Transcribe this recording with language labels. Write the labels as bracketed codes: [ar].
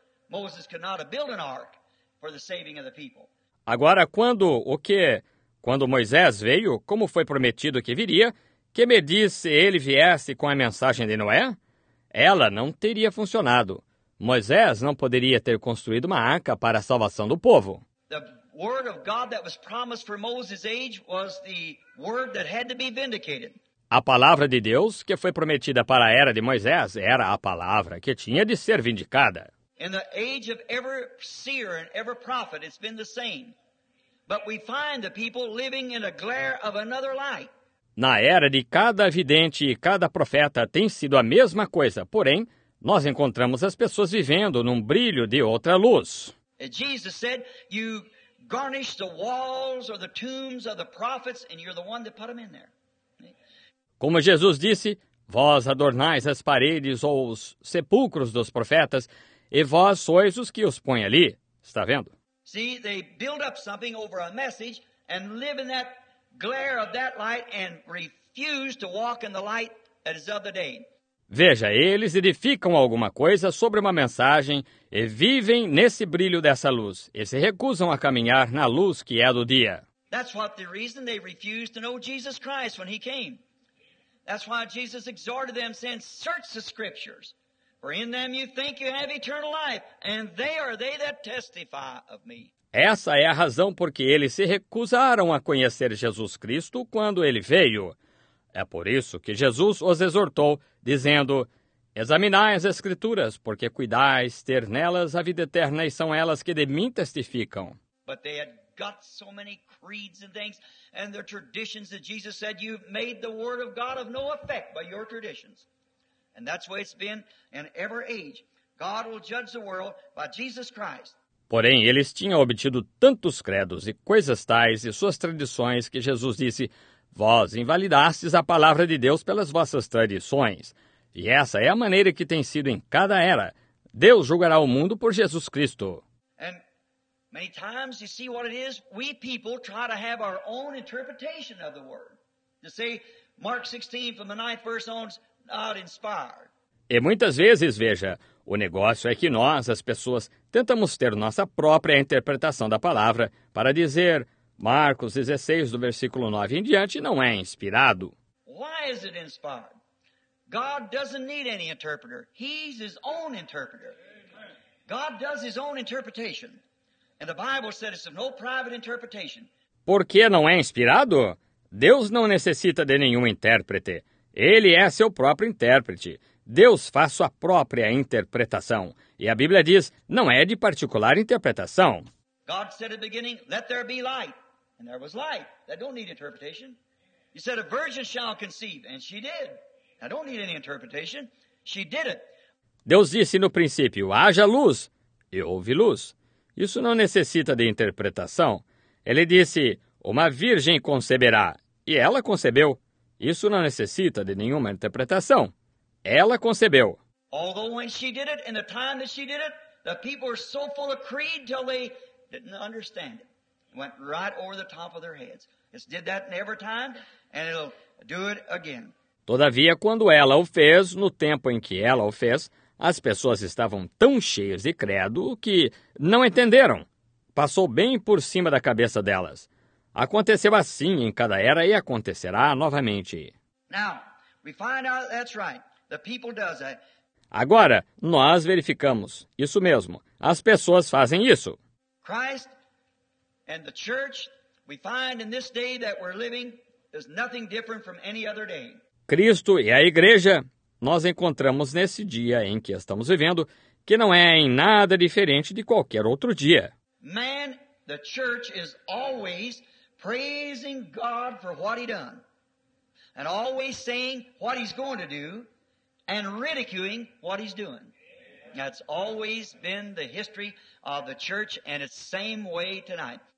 [en] Moses could not have built an ark for the saving of the people. [pt] Agora, quando Moisés veio, como foi prometido que viria, que me disse ele viesse com a mensagem de Noé? Ela não teria funcionado. Moisés não poderia ter construído uma arca para a salvação do povo. [en] The word of God that was promised for Moses' age was the word that had to be vindicated. [pt] A palavra de Deus que foi prometida para a era de Moisés era a palavra que tinha de ser vindicada. [en] In the age of every seer and every prophet, it's been the same. But we find the people living in a glare of another light. [pt] Na era de cada vidente e cada profeta tem sido a mesma coisa, porém, nós encontramos as pessoas vivendo num brilho de outra luz. [en] Jesus said, you garnish the walls or the tombs of the prophets and you're the one that put them in there. [pt] Como Jesus disse, vós adornais as paredes ou os sepulcros dos profetas, e vós sois os que os põe ali. Está vendo? [en] See, they build up something over a message and live in that glare of that light and refuse to walk in the light that is of the day. [pt] Veja, eles edificam alguma coisa sobre uma mensagem e vivem nesse brilho dessa luz e se recusam a caminhar na luz que é do dia. [en] That's what the reason they refused to know Jesus Christ when he came. That's why Jesus exhorted them, saying, search the scriptures, for in them you think you have eternal life, and they are they that testify of me. [pt] Essa é a razão porque eles se recusaram a conhecer Jesus Cristo quando ele veio. É por isso que Jesus os exortou, dizendo, examinai as escrituras, porque cuidais ter nelas a vida eterna, e são elas que de mim testificam. [en] But they had got so many creeds and things, and their traditions that Jesus said, you've made the word of God of no effect by your traditions. And that's the way it's been in every age. God will judge the world by Jesus Christ. [pt] Porém, eles tinham obtido tantos credos e coisas tais e suas tradições que Jesus disse, vós invalidastes a palavra de Deus pelas vossas tradições. E essa é a maneira que tem sido em cada era. Deus julgará o mundo por Jesus Cristo. [en] And many times, you see what it is, we people try to have our own interpretation of the word. To say, Mark 16, from the ninth verse on, not inspired. [pt] E muitas vezes, veja, o negócio é que nós, as pessoas, tentamos ter nossa própria interpretação da palavra para dizer, Marcos 16, do versículo 9 em diante, não é inspirado. [en] Why is it inspired? God doesn't need any interpreter. He's his own interpreter. God does his own interpretation. And the Bible said it's of no private interpretation. [pt] Por que não é inspirado? Deus não necessita de nenhum intérprete. Ele é seu próprio intérprete. Deus faz sua própria interpretação. E a Bíblia diz, não é de particular interpretação. [en] God said at the beginning, let there be light. And there was light. That don't need interpretation. He said, a virgin shall conceive. And she did. I don't need any interpretation. She did it. [pt] Deus disse no princípio, haja luz. E houve luz. Isso não necessita de interpretação. Ele disse, uma virgem conceberá. E ela concebeu. Isso não necessita de nenhuma interpretação. Ela concebeu. [en] Although when she did it, in the time that she did it, the people were so full of creed till they didn't understand it. It went right over the top of their heads. It did that in every time, and it'll do it again. [pt] Todavia, quando ela o fez, no tempo em que ela o fez, as pessoas estavam tão cheias de credo que não entenderam. Passou bem por cima da cabeça delas. Aconteceu assim em cada era e acontecerá novamente. [en] Now, we find out that's right. The people does that. [pt] Agora, nós verificamos. Isso mesmo. As pessoas fazem isso. [en] Christ and the church, we find in this day that we're living, is nothing different from any other day. [pt] Cristo e a igreja, nós encontramos nesse dia em que estamos vivendo, que não é em nada diferente de qualquer outro dia. [en] Man, the church is always praising God for what he done. And always saying what he's going to do and ridiculing what he's doing. That's always been the history of the church and it's same way tonight.